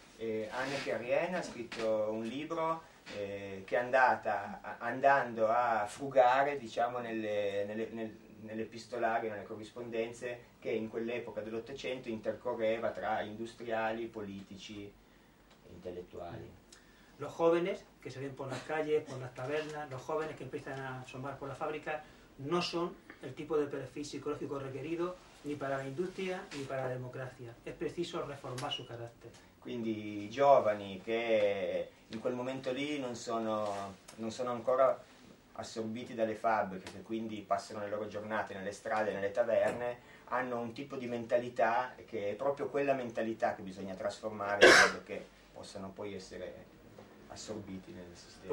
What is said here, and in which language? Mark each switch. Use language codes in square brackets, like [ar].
[it] Anneke Arien ha scritto un libro che è andata andando a frugare, diciamo, nell'epistolario, nelle corrispondenze che in quell'epoca dell'Ottocento intercorreva tra industriali, politici e intellettuali. [es] Los jóvenes que se ven por las calles, por las tabernas, los jóvenes que empiezan a asomar por la fábrica, no son el tipo de perfil psicológico requerido ni para la industria ni para la democracia. Es preciso reformar su carácter. [it] Quindi i giovani che in quel momento lì non sono ancora assorbiti dalle fabbriche, che quindi passano le loro giornate nelle strade, nelle taverne, hanno un tipo di mentalità che è proprio quella mentalità che bisogna trasformare in modo che possano poi essere assorbiti nel sistema.